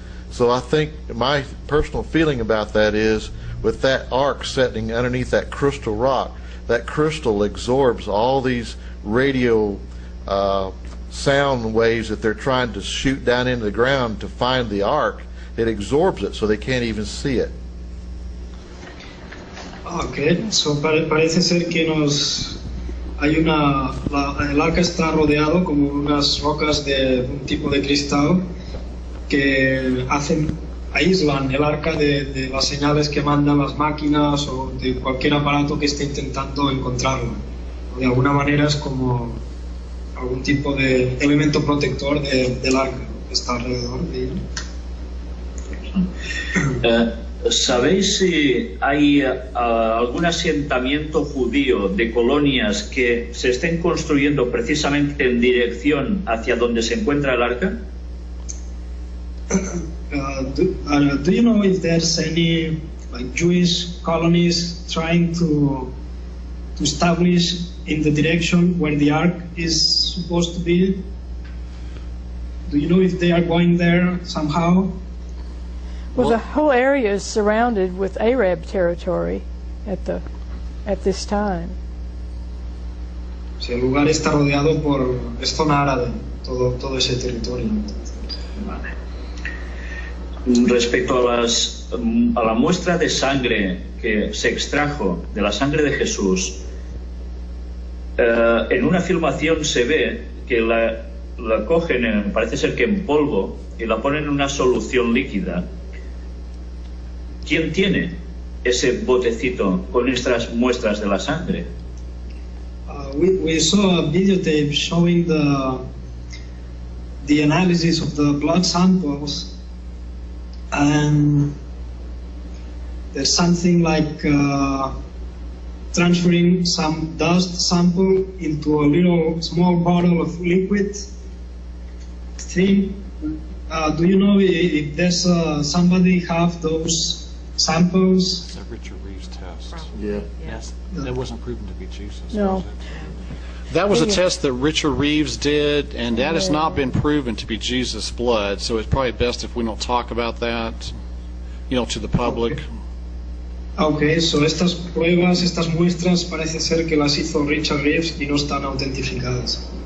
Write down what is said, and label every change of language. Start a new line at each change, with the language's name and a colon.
English: So I think my personal feeling about that is, with that arc setting underneath that crystal rock, that crystal absorbs all these radio sound waves that they're trying to shoot down into the ground to find the arc. It absorbs it so they can't even see it. Okay, so
Spanish: parece ser que nos hay una el arca está rodeado como unas rocas de un tipo de cristal que hacen aíslan el arca de las señales que mandan las máquinas o de cualquier aparato que esté intentando encontrarlo. De alguna manera es como algún tipo de elemento protector del arca que está alrededor de él. ¿Sabéis si hay algún asentamiento judío de colonias que se estén construyendo precisamente en dirección hacia donde se encuentra el arca?
English: Do you know if there's any like Jewish colonies trying to establish in the direction where the ark is supposed to be? Do you know if they are going there somehow? Well, the whole area is surrounded with Arab territory at this time.
Spanish: El lugar está rodeado por zona árabe, todo ese territorio. Respecto a la muestra de sangre que se extrajo de la sangre de Jesús, en una filmación se ve que la cogen, parece ser que en polvo, y la ponen en una solución líquida. ¿Quién tiene ese botecito con estas muestras de la sangre?
English: We saw a videotape showing the analysis of the blood samples. And there's something like transferring some dust sample into a little small bottle of liquid thing. Do you know if there's somebody have those samples? Is that Richard Reeves' test? Yeah. Yes. That wasn't proven to be Jesus. No. That was a test that Richard Reeves did, and that has not been proven to be Jesus' blood, so it's probably best if we don't talk about that, you know, to the public. Okay, so
Spanish: estas pruebas, estas muestras, parece ser que las hizo Richard Reeves y no están autentificadas.